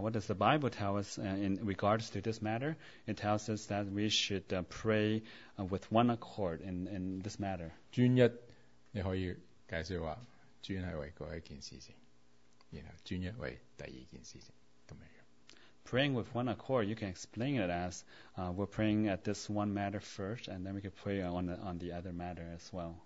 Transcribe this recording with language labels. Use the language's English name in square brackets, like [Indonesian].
[English] what does the Bible tell us in regards to this matter? It tells us that we should pray with one accord in this matter. [Cantonese] 專一你可以解釋話專係為嗰一件事情，然後專一為第二件事情。 [English] Praying with one accord, you can explain it as we're praying at this one matter first, and then we can pray on the other matter as well.